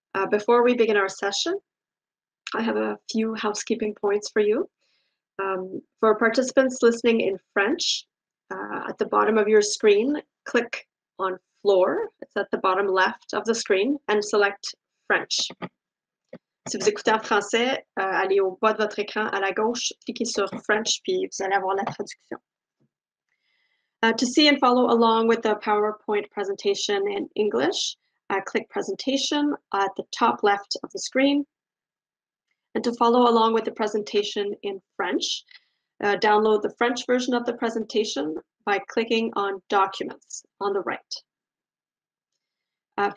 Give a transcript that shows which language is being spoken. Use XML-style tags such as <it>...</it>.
<en>Before we begin our session, I have a few housekeeping points for you. For participants listening in French, at the bottom of your screen, click on Floor, it's at the bottom left of the screen, and select French.</en> <fr>Si vous écoutez en français, allez au bas de votre écran à la gauche, cliquez sur French, puis vous allez avoir la traduction.</fr> <en>To see and follow along with the PowerPoint presentation in English, click Presentation at the top left of the screen. And to follow along with the presentation in French, download the French version of the presentation by clicking on Documents on the right.</en>